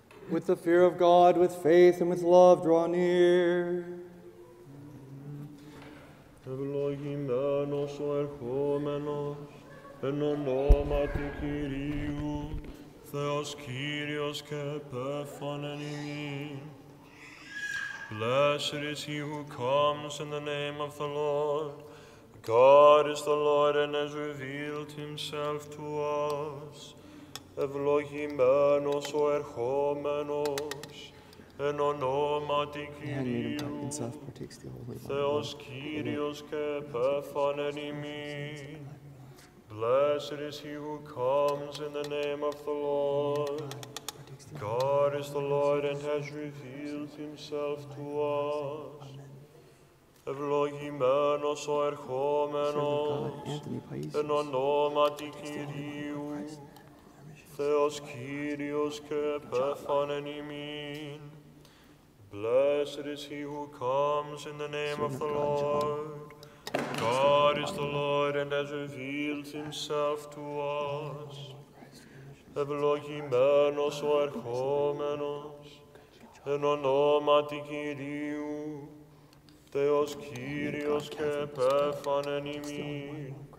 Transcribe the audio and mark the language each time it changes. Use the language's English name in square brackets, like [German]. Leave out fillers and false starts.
[English] With the fear of God, with faith, and with love, draw near. [Greek] Ευλογημένος ο ερχόμενος, εν ονόματι Κυρίου, Θεός Κύριος και επέφανεν ημίν. [English] Blessed is he who comes in the name of the Lord. God is the Lord and has revealed himself to us. [Greek] Ευλογημένος ο ερχόμενος εν ονόματι Κυρίου Θεός Κύριος και επέφανεν ημίν. [English] Blessed is he who comes in the name of the Lord. God is the Lord and has revealed himself to us. [Greek] Ευλογημένος ο ερχόμενος εν ονόματι Κυρίου Θεός Κύριος και επέφανεν ημίν. [English] Blessed is he who comes in the name of the Lord. God is the Lord and has revealed himself to us. [Greek] Ευλογημένος ο ερχόμενος εν ονόματι Κυρίου Θεός Κύριος και επέφανεν ημίν.